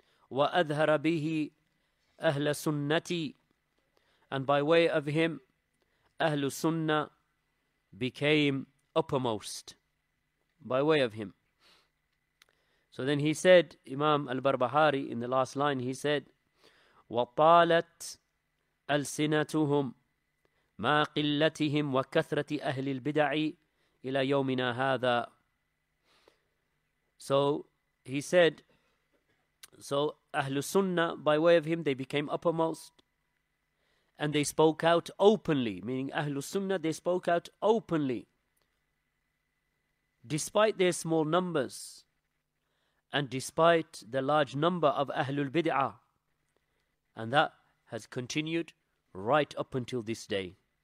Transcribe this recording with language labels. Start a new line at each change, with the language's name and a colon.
Arabic: وَأَذْهَرَ بِهِ أَهْلَ سُنَّتِي
English: And by way of him, أَهْلُ سُنَّة became uppermost. By way of him. So then he said, Imam al-Barbahari, in the last line, he said,
Arabic: وَطَالَتْ أَلْسِنَتُهُمْ ما قلتهم وكثرة أهل البدع إلى يومنا هذا.
English: So he said, so Ahlu Sunnah, by way of him, they became uppermost and they spoke out openly, meaning Ahlu Sunnah, they spoke out openly despite their small numbers and despite the large number of Ahlul Bid'ah, and that has continued right up until this day.